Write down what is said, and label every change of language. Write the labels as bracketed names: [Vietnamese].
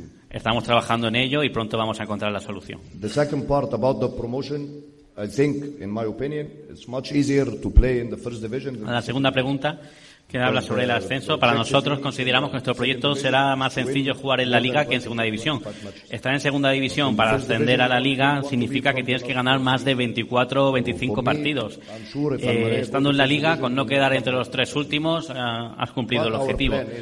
[Spanish] Estamos trabajando en ello y pronto vamos a encontrar la solución. [English] The second part about the promotion, I think, in my opinion, it's much easier to play in the first division. [Spanish] La segunda pregunta que habla sobre el ascenso, para nosotros consideramos que nuestro proyecto será más sencillo jugar en la Liga que en segunda división. Estar en segunda división para ascender a la Liga significa que tienes que ganar más de 24 o 25 partidos. Estando en la Liga, con no quedar entre los tres últimos, has cumplido el objetivo.